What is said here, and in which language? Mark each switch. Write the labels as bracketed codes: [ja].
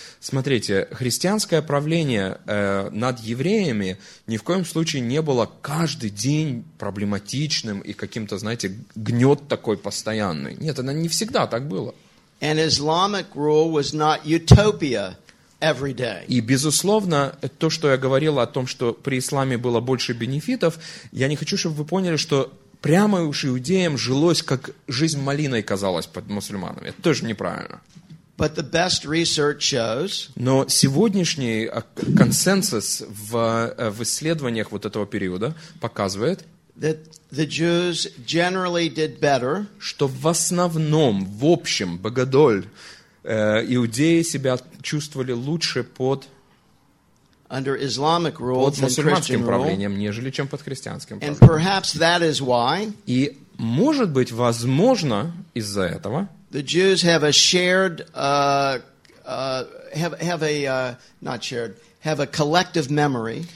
[ru] Смотрите, христианское правление над евреями ни в коем случае не было каждый день проблематичным и каким-то, знаете, гнет такой постоянный. Нет, оно не всегда так было. [en] And Islamic rule was not utopia every day. [ru] И, безусловно, то, что я говорил о том, что при исламе было больше бенефитов, я не хочу, чтобы вы поняли, что прямо уж иудеям жилось, как жизнь малиной казалась под мусульманами. Это тоже неправильно. [en] But the best research shows, [ru] но сегодняшний консенсус в исследованиях вот этого периода показывает, [en] that the Jews generally did better, [ru] что в основном, в общем, богодоль, иудеи себя чувствовали лучше [en] under Islamic rule [ru] под мусульманским правлением, нежели чем под христианским правлением. [en] And perhaps that is why, [ru] и, может быть, возможно, из-за этого. [en] The Jews have a shared, not shared, have a collective memory,